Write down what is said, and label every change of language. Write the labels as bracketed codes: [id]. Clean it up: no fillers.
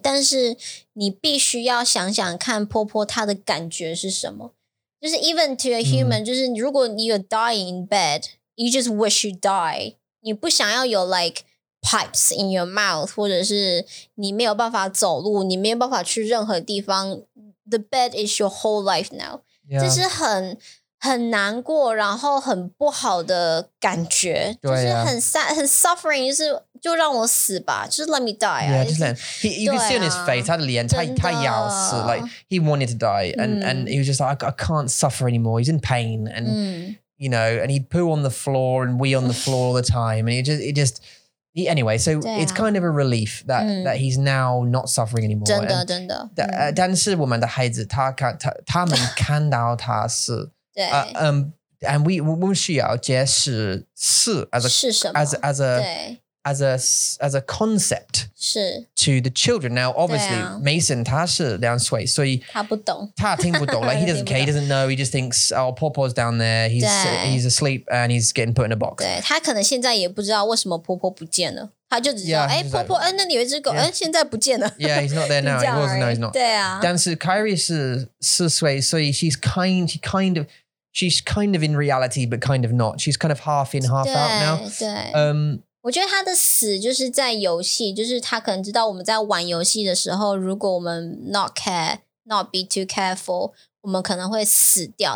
[zh] 但是你必须要想想看婆婆她的感觉是什么。 [en] 就是 even to a human, [zh] 就是如果 [en] you're dying in bed, you just wish you die. [zh] 你不想要有 [en] like pipes in your mouth, [zh] 或者是你没有办法走路，你没有办法去任何地方。 [en] The bed is your whole life now. Yeah. [zh] 这是很难过，然后很不好的感觉，对啊、就是很 sad， 很 suffering， 就是就让我死吧，就是 [en] let me die、 [zh] 啊。 [en] Yeah, just let him. He, you can see on his face， [zh] 他的脸，他要死 [en] ，like he wanted to die， and he was just like I can't suffer anymore. He's in pain, and、you know, and he'd poo on the floor and wee on the floor all the time, and he just anyway. So、啊、 it's kind of a relief that、that he's now not suffering anymore. [zh] 真的真的。但是我们的孩子，他们看到他死。 [en] and we should [zh] 解释死 [en] as a concept [zh] 是 [en] to the children. Now, obviously,、啊、 [zh] Mason 他是两岁，所以他不懂，他听不懂。 [en] Like he doesn't care, he doesn't know. He just thinks, oh, Popo's down there. He's asleep and he's getting put in a box. [zh] 对，他可能现在也不知道为什么婆婆不见了。他就只知道，哎，婆婆，那里有一只狗，哎，现在不见了。 [en] Yeah, he's not there now. He wasn't. No, he's not. [zh] 对啊。但是 Kyrie 是四岁，所以 [en] she's kind of in reality, but kind of not. She's kind of half in, half out now. [zh] 对。我觉得他的死就是在游戏，就是他可能知道我们在玩游戏的时候，如果我们 [en] not care, not be too careful, [zh] 我们可能会死掉。